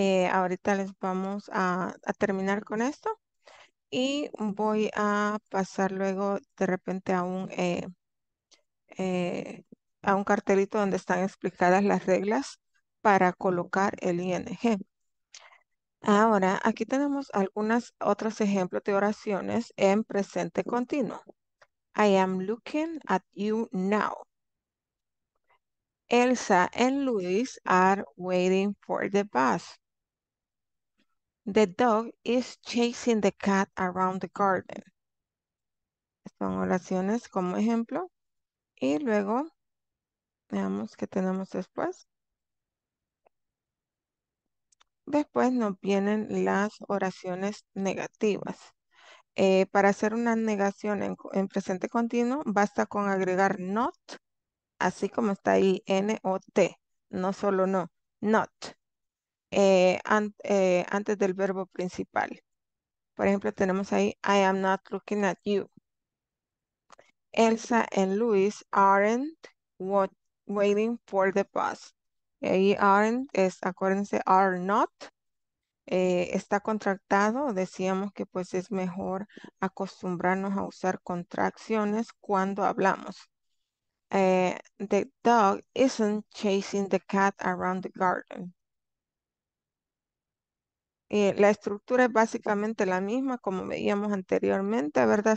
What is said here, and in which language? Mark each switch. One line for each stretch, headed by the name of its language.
Spanish: Ahorita les vamos a terminar con esto y voy a pasar luego de repente a un cartelito donde están explicadas las reglas para colocar el ING. Ahora, aquí tenemos algunos otros ejemplos de oraciones en presente continuo.
English: I am looking at you now. Elsa and Luis are waiting for the bus. The dog is chasing the cat around the garden.
Spanish: Son oraciones como ejemplo. Y luego, veamos qué tenemos después. Después nos vienen las oraciones negativas. Para hacer una negación en presente continuo, basta con agregar not, así como está ahí, NOT, no solo no, not, antes del verbo principal. Por ejemplo, tenemos ahí,
English: I am not looking at you. Elsa and Luis aren't waiting for the bus.
Spanish: Ahí aren't es, acuérdense, are not. Está contractado, decíamos que pues es mejor acostumbrarnos a usar contracciones cuando hablamos.
English: The dog isn't chasing the cat around the garden.
Spanish: La estructura es básicamente la misma como veíamos anteriormente, ¿verdad?